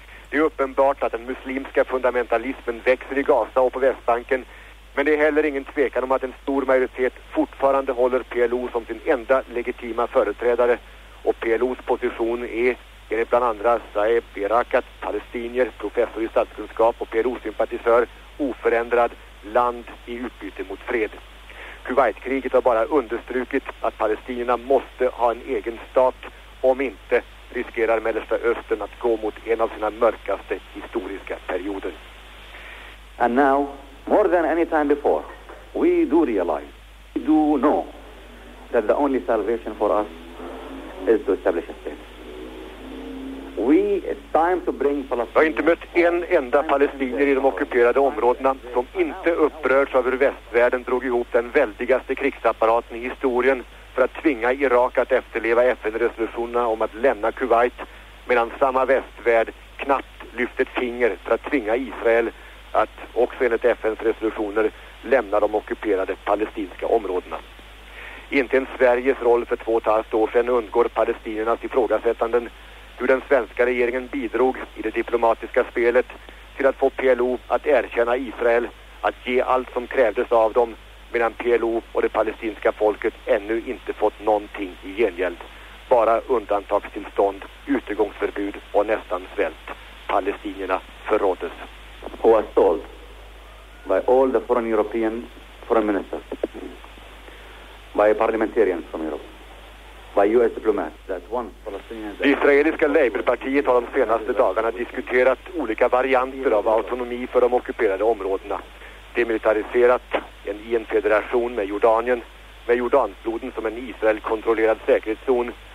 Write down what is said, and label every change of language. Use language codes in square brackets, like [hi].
[sv] Det är uppenbart att den muslimska fundamentalismen växer i Gaza och på Västbanken, men det är heller ingen tvekan om att en stor majoritet fortfarande håller PLO som sin enda legitima företrädare, och PLOs position är, enligt bland andra Saeb Berakat, palestinier, professor i statskunskap och PLO-sympatisör, oförändrad, land i utbyte mot fred. Kuwaitkriget har bara understrukit att palestinierna måste ha en egen stat, om inte riskerar Mellersta Östern att gå mot en av sina mörkaste historiska perioder. [en] And now, more than any time before, we do realize, we do know that the only salvation for us is to establish a state. [sv] Jag har inte mött en enda palestinier i de ockuperade områdena som inte upprörs av hur västvärlden drog ihop den väldigaste krigsapparaten i historien för att tvinga Irak att efterleva FN-resolutionerna om att lämna Kuwait, medan samma västvärld knappt lyfter ett finger för att tvinga Israel att, också enligt FNs resolutioner, lämna de ockuperade palestinska områdena. Inte ens Sveriges roll för 2,5 år sedan undgår palestiniernas ifrågasättanden, hur den svenska regeringen bidrog i det diplomatiska spelet till att få PLO att erkänna Israel, att ge allt som krävdes av dem, medan PLO och det palestinska folket ännu inte fått någonting i gengäld. Bara undantagstillstånd, utegångsförbud och nästan svält. Palestinierna förråddes. [en] Who was told by all the foreign European foreign ministers, by parliamentarians from Europe. [sv] Det israeliska Labourpartiet har de senaste dagarna diskuterat olika varianter av autonomi för de ockuperade områdena. Demilitariserat, en INF-federation med Jordanien, med Jordanfloden som en Israel-kontrollerad säkerhetszon.